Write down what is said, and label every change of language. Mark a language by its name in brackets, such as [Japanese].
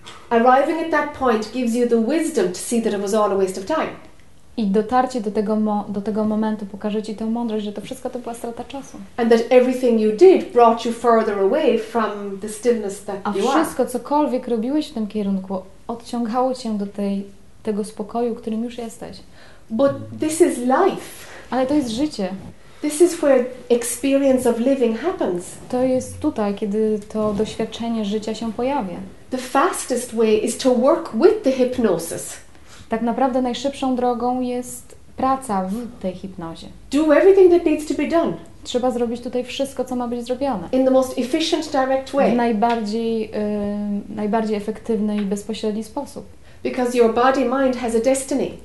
[English] Arriving at that point gives you the wisdom to see that it was all a waste of time. [Polish] I dotarcie do tego momentu pokaże ci tę mądrość, że to wszystko to była strata czasu. [English] And that everything you did brought you further away from the stillness that you are. [Polish] A wszystko, cokolwiek robiłeś w tym kierunku, odciągało cię do tego spokoju, którym już jesteś. [English] But this is life. [Polish] Ale to jest życie. [English] This is where experience of living happens. [Polish] To jest tutaj, kiedy to doświadczenie życia się pojawia. [English] The fastest way is to work with the hypnosis. [Polish] Tak naprawdę najszybszą drogą jest praca w tej hipnozie. [English] Do everything that needs to be done. [Polish] Trzeba zrobić tutaj wszystko, co ma być zrobione. [English] In the most efficient, direct way. [Polish] W najbardziej efektywny i bezpośredni sposób. [English] Because your body mind has a destiny.